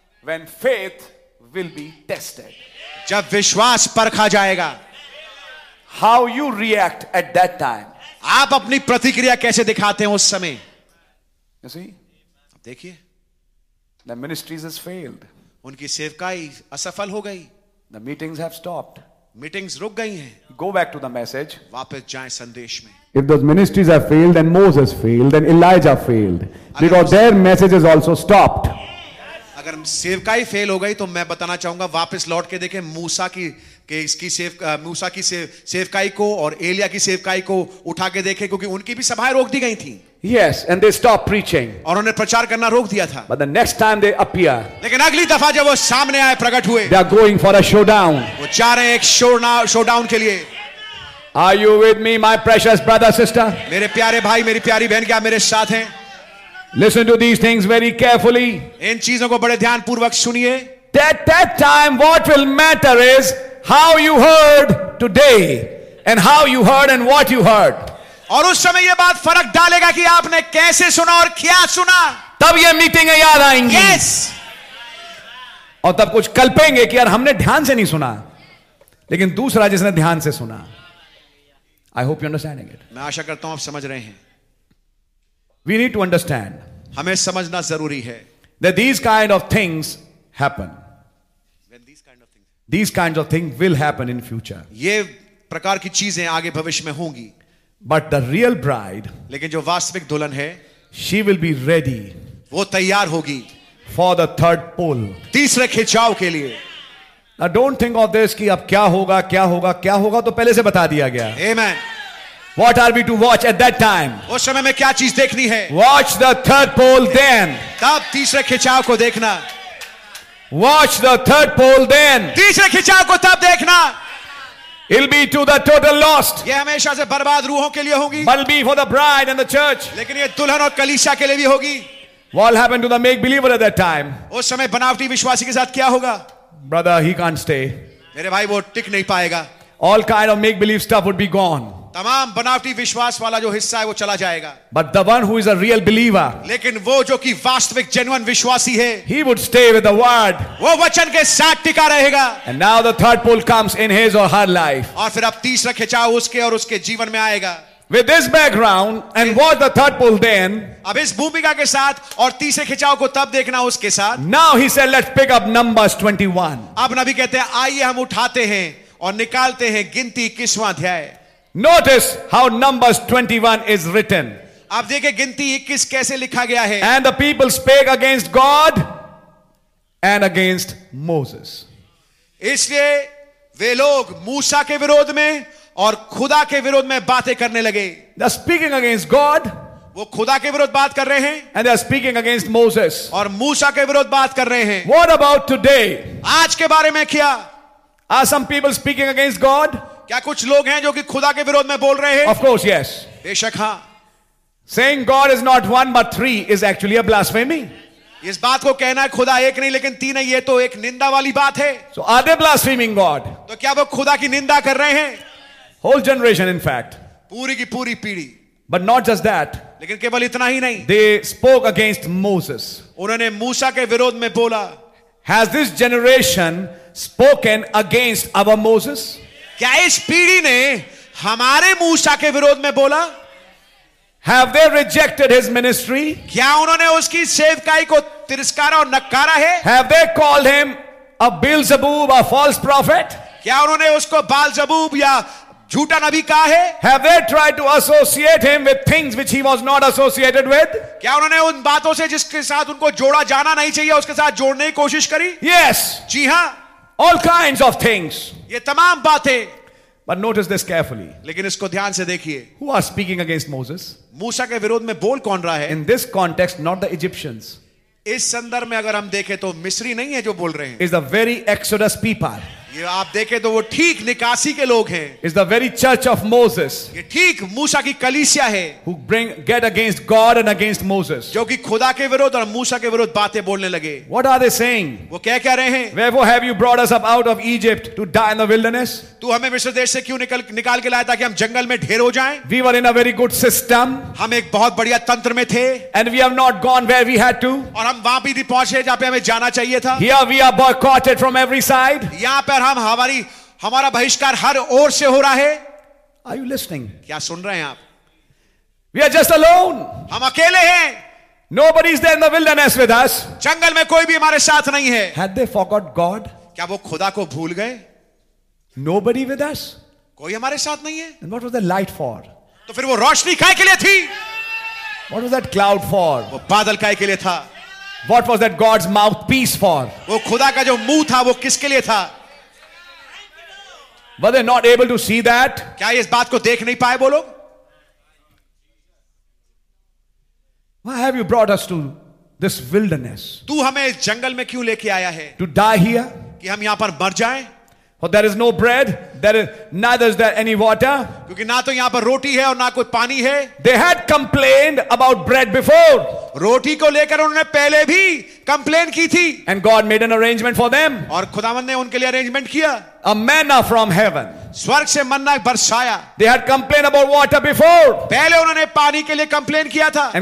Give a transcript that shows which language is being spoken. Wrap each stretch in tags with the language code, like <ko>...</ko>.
<en>When faith will be tested.</en> <hi>जब विश्वास परखा जाएगा.</hi> <en>How you react at that time?</en> <hi>आप अपनी प्रतिक्रिया कैसे दिखाते हैं उस समय?</hi> <en>You see?</en> <hi>अब देखिए.</hi> <en>The ministries has failed.</en> <hi>उनकी सेवकाई असफल हो गई.</hi> <en>The meetings have stopped.</en> <hi>Meetings रुक गई हैं.</hi> <en>Go back to the message.</en> <hi>वापस जाएं संदेश में.</hi> <en>If those ministries have failed, then Moses failed, then Elijah failed, because their message is also stopped.</en> <hi>अगर सेवकाई फेल हो गई तो मैं बताना चाहूंगा वापस लौट के देखें मूसा की के इसकी सेव मूसा की सेवकाई को और एलिया की सेवकाई को उठा के देखें क्योंकि उनकी भी सभाएं रोक दी गई थी.</hi> <en>Yes, and they stopped preaching.</en> <hi>और उन्हें प्रचार करना रोक दिया था.</hi> <en>But the next time they appear.</en> <hi>लेकिन अगली दफा जब वो सामने आए प्रकट हुए.</hi> <en>They are going for a showdown.</en> <hi>वो चाह रहे हैं एक showdown के लिए.</hi> <en>Are you with me, my precious brother, sister?</en> <hi>मेरे प्यारे भाई मेरी प्यारी बहन क्या मेरे साथ हैं?</hi> <en>Listen to these things very carefully.</en> <hi>इन चीजों को बड़े ध्यान पूर्वक सुनिए.</hi> <en>That time, what will matter is how you heard today and how you heard and what you heard.</en> <hi>और उस समय ये बात फर्क डालेगा कि आपने कैसे सुना और क्या सुना. तब ये मीटिंगें याद आएंगी.</hi> <en>Yes.</en> <hi>और तब कुछ कल्पेंगे कि यार हमने ध्यान से नहीं सुना लेकिन दूसरा जिसने ध्यान से सुना.</hi> <en>I hope you understanding it.</en> <hi>मैं आशा करता हूं आप समझ रहे हैं.</hi> <en>We need to understand.</en> <hi>हमें समझना जरूरी है.</hi> <en>That these kind of things happen. When these kind of things. These kinds of things will happen in future.</en> <hi>ये प्रकार की चीजें आगे भविष्य में होंगी.</hi> <en>But the real bride.</en> <hi>लेकिन जो वास्तविक दुल्हन है.</hi> <en>She will be ready.</en> <hi>वो तैयार होगी.</hi> <en>For the third pole.</en> <hi>तीसरे खिंचाव के लिए.</hi> <en>Now don't think of this</en> <hi>कि अब क्या होगा क्या होगा क्या होगा तो पहले से बता दिया गया.</hi> <en>Amen. What are we to watch at that time?</en> <hi>उस समय में क्या चीज देखनी है?</hi> <en>Watch the third pole then.</en> <hi>तब तीसरे खिंचाव को देखना.</hi> <en>Watch the third pole then.</en> <hi>तीसरे खिंचाव को तब देखना.</hi> <en>It'll be to the total lost.</en> <hi>ये हमेशा से बर्बाद रूहों के लिए होगी.</hi> <en>But be for the bride and the church.</en> <hi>लेकिन ये दुल्हन और कलीसिया के लिए भी होगी.</hi> <en>What happened to the make believer at that time?</en> <hi>उस समय बनावटी विश्वासी के साथ क्या होगा?</hi> <en>Brother, he can't stay.</en> <hi>मेरे भाई वो टिक नहीं पाएगा.</hi> <en>All kind of make believe stuff would be gone.</en> <hi>तमाम बनावटी विश्वास वाला जो हिस्सा है वो चला जाएगा.</hi> <en>But the one who is a real believer,</en> <hi>लेकिन वो जो कि वास्तविक जेन्युइन विश्वासी है,</hi> <en>he would stay with the word,</en> <hi>वो वचन के साथ टिका रहेगा.</hi> <en>And now the third pole comes in his or her life,</en> <hi>और फिर अब तीसरा खिंचाव उसके और उसके जीवन में आएगा.</hi> <en>With this background and what the third pull then,</en> <hi>अब इस भूमिका के साथ और तीसरे खिंचाव को तब देखना उसके साथ.</hi> <en>Now he said, let's pick up Numbers 21.</en> <hi>अब नबी कहते हैं आइए हम उठाते हैं और निकालते हैं गिनती किसवां अध्याय.</hi> <en>Notice how Numbers 21 is written.</en> <hi>आप देखिए गिनती 21 कैसे लिखा गया है.</hi> <en>And the people spake against God and against Moses.</en> <hi>इसलिए वे लोग मूसा के विरोध में और खुदा के विरोध में बातें करने लगे.</hi> <en>They are speaking against God.</en> <hi>वो खुदा के विरोध बात कर रहे हैं.</hi> <en>And they are speaking against Moses.</en> <hi>और मूसा के विरोध बात कर रहे हैं.</hi> <en>What about today?</en> <hi>आज के बारे में क्या?</hi> <en>Are some people speaking against God?</en> <hi>क्या कुछ लोग हैं जो कि खुदा के विरोध में बोल रहे हैं?</hi> <en>Of course, yes.</en> <hi>बेशक हाँ.</hi> <en>Saying God is not one but three is actually a blasphemy.</en> <hi>इस बात को कहना है खुदा एक नहीं लेकिन तीन है ये तो एक निंदा वाली बात है.</hi> <en>So are they blaspheming God?</en> <hi>तो क्या वो खुदा की निंदा कर रहे हैं?</hi> <en>Whole generation, in fact.</en> <hi>पूरी की पूरी पीढ़ी.</hi> <en>But not just that.</en> <hi>लेकिन केवल इतना ही नहीं.</hi> <en>They spoke against Moses.</en> <hi>उन्होंने मूसा के विरोध में बोला.</hi> <en>Has this generation spoken against our Moses?</en> <hi>क्या इस पीढ़ी ने हमारे मूसा के विरोध में बोला?</hi> <en>Have they rejected his ministry?</en> <hi>क्या उन्होंने उसकी सेवकाई को तिरस्कारा और नकारा है?</hi> <en>Have they called him a Beelzebub, a false prophet?</en> <hi>क्या उन्होंने उसको बालजबूब या झूठा नबी कहा है?</hi> <en>Have they tried to associate him with things which he was not associated with?</en> <hi>क्या उन्होंने उन बातों से जिसके साथ उनको जोड़ा जाना नहीं चाहिए उसके साथ जोड़ने की कोशिश करी?</hi> <en>Yes.</en> <hi>जी हाँ.</hi> <en>All kinds of things.</en> <hi>ये तमाम बातें.</hi> <en>But notice this carefully.</en> <hi>लेकिन इसको ध्यान से देखिए.</hi> <en>Who are speaking against Moses?</en> <hi>मूसा के विरोध में बोल कौन रहा है?</hi> <en>In this context, not the Egyptians.</en> <hi>इस संदर्भ में अगर हम देखें तो मिस्री नहीं है जो बोल रहे हैं.</hi> <en>Is the very Exodus people.</en> <hi>ये आप देखें तो वो ठीक निकासी के लोग हैं.</hi> <en>Is the very church of Moses.</en> <hi>ये ठीक मूसा की कलीसिया है.</hi> <en>Who bring get against God and against Moses.</en> <hi>जो कि खुदा के विरोध और मूसा के विरोध बातें बोलने लगे.</hi> <en>What are they saying?</en> <hi>वो क्या कह रहे हैं?</hi> <en>Wherefore have you brought us up out of Egypt to die in the wilderness?</en> <hi>तू हमें मिस्र देश से क्यों निकाल के लाया ताकि हम जंगल में ढेर हो जाएं?</hi> <en>We were in a very good system.</en> <hi>हम एक बहुत बढ़िया तंत्र में थे.</hi> <en>And we have not gone where we had to.</en> <hi>और हम वहां भी नहीं पहुंचे जहां पे हमें जाना चाहिए था.</hi> <en>Here we are boycotted from every side.</en> <hi>यहां पर हम हमारा बहिष्कार हर ओर से हो रहा है.</hi> <en>Are you listening?</en> <hi>क्या सुन रहे हैं आप?</hi> <en>We are just alone.</en> <hi>हम अकेले हैं.</hi> <en>Nobody is there in the wilderness with us.</en> <hi>जंगल में कोई भी हमारे साथ नहीं है.</hi> <en>Had they forgot God?</en> <hi>क्या वो खुदा को भूल गए?</hi> <en>Nobody with us?</en> <hi>कोई हमारे साथ नहीं है.</hi> <en>And what was the light for?</en> <hi>तो फिर वो रोशनी काहे के लिए थी?</hi> <en>What was that cloud for?</en> <hi>वो बादल काहे के लिए था?</hi> <en>What was that God's mouthpiece for?</en> <hi>वो खुदा का जो मुंह था वो किसके लिए था?</hi> <en>Were they not able to see that?</en> <hi>क्या इस बात को देख नहीं पाए वो लोग?</hi> <en>Why have you brought us to this wilderness?</en> <hi>तू हमें इस जंगल में क्यों लेके आया है?</hi> <en>To die here?</en> <hi>कि हम यहाँ पर मर जाएं?</hi> <en>For there is no bread, neither is there any water.</en> <hi>क्योंकि ना तो यहाँ पर रोटी है और ना कोई पानी है.</hi> <en>They had complained about bread before.</en> <hi>रोटी को लेकर उन्होंने पहले भी कंप्लेन की थी.</hi> <en>And God made an arrangement for them.</en> <hi>और खुदावंद ने उनके लिए अरेंजमेंट किया.</hi> <en>A manna from heaven.</en> <hi>स्वर्ग से मन्ना बरसाया.</hi> <en>They had complained about water before.</en> <hi>पहले उन्होंने पानी के लिए कंप्लेन किया था.</hi>